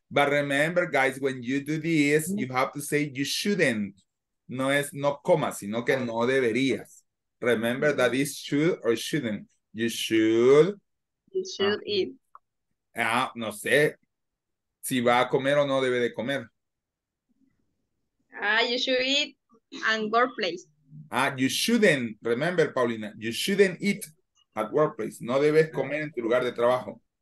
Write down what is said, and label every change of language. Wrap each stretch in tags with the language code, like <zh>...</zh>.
<en>But remember, guys, when you do this, you have to say you shouldn't.</en> <es>No es no coma, sino que no deberías.</es> <en>Remember that it's should or shouldn't. You should eat.</en> <es>Ah, no sé. Si va a comer o no debe de comer.</es> <en>You should eat and workplace. You shouldn't, remember, Paulina, you shouldn't eat at workplace.</en> <es>No debes comer en tu lugar de trabajo.</es>